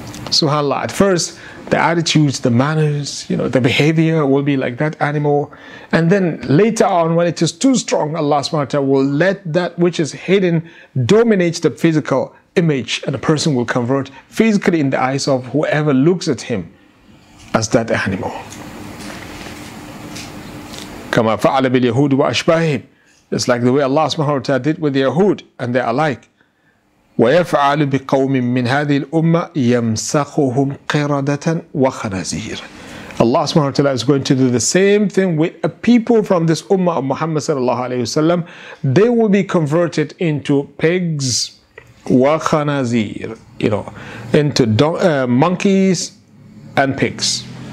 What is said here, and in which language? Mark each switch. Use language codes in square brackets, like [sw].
[en] SubhanAllah, at first, the attitudes, the manners, you know, the behavior will be like that animal. And then later on, when it is too strong, Allah subhanahu wa ta'ala will let that which is hidden dominate the physical image, and the person will convert physically in the eyes of whoever looks at him as that animal. [ar] كما فعل باليهود وأشباههم. [en] It's like the way Allah subhanahu wa ta'ala did with the Yahud and they're alike. [ar] ويفعل بقوم من هذه الأمة يمسخهم قردة وخنازير. [en] Allah subhanahu wa ta'ala is going to do the same thing with a people from this Ummah of Muhammad sallallahu alayhi wasallam. They will be converted into pigs, [ar] وخنازير, [en] you know, into monkeys and pigs.